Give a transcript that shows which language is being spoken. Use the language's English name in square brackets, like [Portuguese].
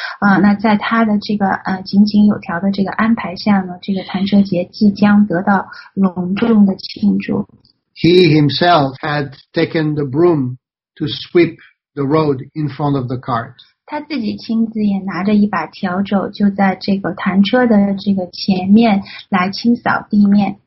[Chinese] 那在他的这个井井有条的这个安排下呢，这个弹车节即将得到隆重的庆祝。 [English] He himself had taken the broom to sweep the road in front of the cart. [Chinese] 他自己亲自也拿着一把笤帚就在这个弹车的这个前面来清扫地面。